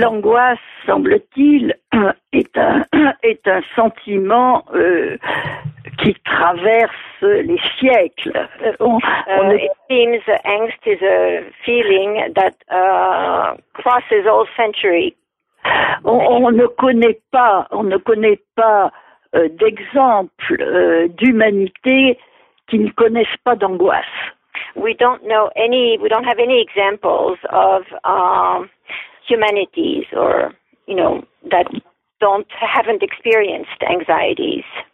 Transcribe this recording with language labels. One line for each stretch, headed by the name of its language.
French: L'angoisse, semble-t-il, est un sentiment qui traverse les siècles.
English: It seems angst is a feeling that crosses all centuries.
French: On ne connaît pas d'exemple d'humanité qui ne connaissent pas d'angoisse.
English: We don't have any examples of humanities or that haven't experienced anxieties.